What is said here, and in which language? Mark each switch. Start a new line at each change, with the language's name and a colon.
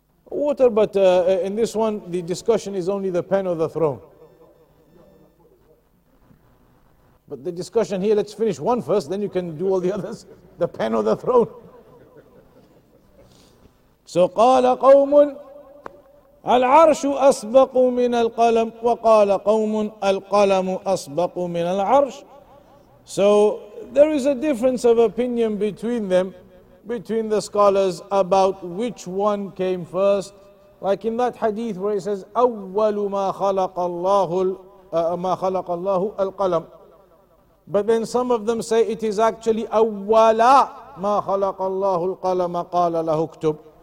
English: No? Water, but in this one, the discussion is only the pen or the throne. But the discussion here, let's finish one first, then you can do all the others. The pen or the throne?
Arabic: So, قال قوم العرش أسبق من القلم وقال قوم القلم أسبق من العرش.
English: So, there is a difference of opinion between them, between the scholars, about which one came first. Like in that hadith where it says,
Arabic: أَوَّلُ مَا خَلَقَ اللَّهُ الْقَلَمُ.
English: But then some of them say it is actually
Arabic: أَوَّلَا مَا خَلَقَ اللَّهُ الْقَلَمَ قَالَ لَهُ اكْتُبْ.